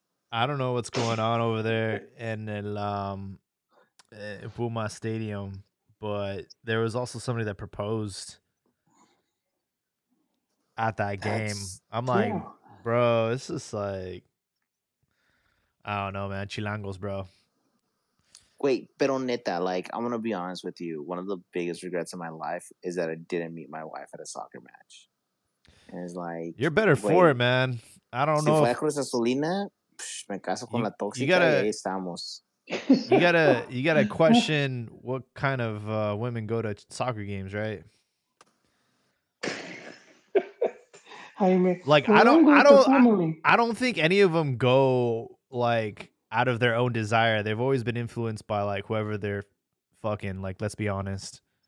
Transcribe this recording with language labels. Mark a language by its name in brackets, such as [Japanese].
[English] I don't know what's going on over there in el Puma Stadium, but there was also somebody that proposed at that game. I'm like, yeah. Bro, this is like, I don't know, man. Chilangos, bro. Wait, [Spanish] pero neta, [English] like, I'm going to be honest with you. One of the biggest regrets of my life is that I didn't meet my wife at a soccer match. And it's like... You're better for it, man. I don't know. [Spanish] Si fue Cruz Azulina, me caso con la tóxica, ahí estamos. [English] You gotta question what kind of women go to soccer games, right? Like, I don't think any of them go, like... out of their own desire. They've always been influenced by, like, whoever they're fucking, like, let's be honest.